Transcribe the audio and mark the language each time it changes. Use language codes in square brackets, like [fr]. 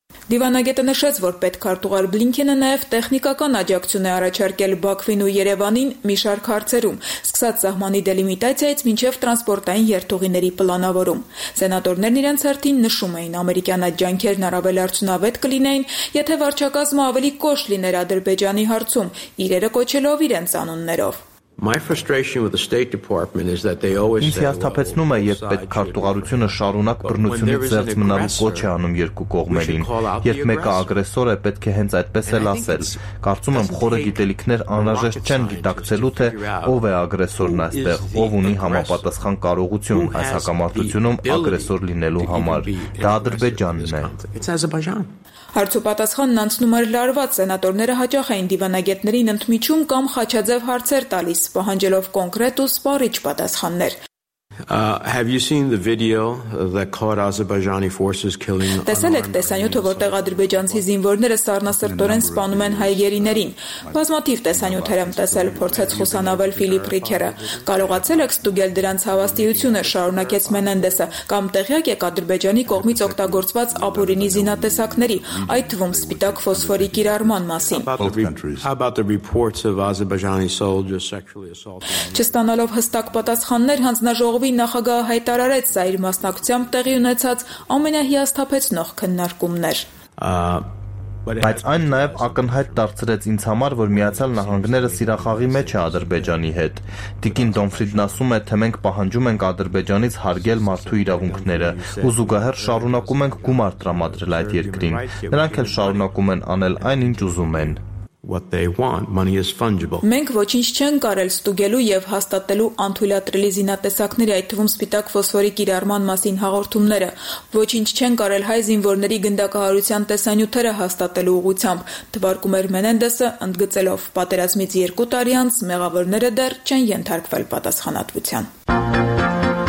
[hy] Դիվանագետը նշեց, որ պետք Արտուղար Բլինքենը նաև տեխնիկական աջակցություն է առաջարկել Բաքվին ու Երևանին մի շարք հարցերում, սկսած սահմանի դելիմիտացիայից մինչև տրանսպորտային երթուղիների պլանավորում։ Սենատորներն իրենց հերթին նշում էին, ամերիկյան աջանքերն առավել արդյունավետ կլինեին, եթե վարչակազմը ավելի կոշտ լիներ Ադրբեջանի հարցում, իրերը կոչելով իրենց անուններով։ [en] My frustration with the State Department is that they always [hy] Ինչ հաստապեցնում է, երբ պետք քարտուղարությունը շարունակ բռնությունից զերծ մնալու կոչ է անում երկու կողմերին, երբ մեկը ագրեսոր է, պետք է հենց այդպես էլ ասել։ Կարծում եմ, խորը գիտելիքներ անհրաժեշտ չեն դիտակցելու, թե ով է ագրեսորն այստեղ, ով ունի համապատասխան կարողություն այս հակամարտությունում ագրեսոր լինելու համար։ Դա Ադրբեջանն է։ Հարցու պատասխանն անցնում էր լարված, սենատորները հաճախ էին դիվանագետներին ընդմիջում կամ խաչաձև հարցեր տալիս, պահանջելով կոնկրետ ու սպառիչ պատասխաններ։ [en] Have you seen the video that caught Azerbaijani forces killing [hy] the Տեսել եք տեսանյութը, որտեղ ադրբեջանցի զինվորները սառնասրտորեն սպանում են հայերիներին։ Բազմաթիվ տեսանյութեր եմ տեսել, փորձեց խուսանավել Ֆիլիպ Ռիքերը։ Կարողացել եք ստուգել դրանց հավաստիությունը, շարունակեց Մենենդեսը, կամ տեղյակ եք ադրբեջանի կողմից օգտագործված ապուրինի զինատեսակների, այդ թվում սպիտակ ֆոսֆորի կիրառման մասին։ Չստանալով հստակ պատասխաններ, հանձնաժողովը նախագահը հայտարարեց իր մասնակցությամբ տեղի ունեցած ամենահիասթափեցնող քննարկումներ։ Բայց այն նաև ակնհայտ դարձրեց ինձ համար, որ Միացյալ Նահանգները սիրախաղի մեջ է Ադրբեջանի հետ։ Տիկին Դոնֆրիդն ասում է, թե մենք պահանջում ենք Ադրբեջանից հարգել մարդու իրավունքները, ու զուգահեռ շարունակում ենք գումար տրամադրել այդ երկրին։ Նրանք էլ շարունակում են անել այն, ինչ ուզում են։ [en] What they want, money is fungible. [hy] Մենք ոչինչ չեն կարել ստուգելու եւ հաստատելու անթույլատրելի զինատեսակների, այդ թվում սպիտակ ֆոսֆորի կիրառման մասին հաղորդումները, ոչինչ չեն կարել հայ զինվորների գնդակահարության տեսանյութերը հաստատելու ուղությամբ, թվարկում էր Մենենդեսը, ընդգծելով, պատերազմից 2 տարի անց մեղավորները դեռ չեն ենթարկվել պատասխանատվության։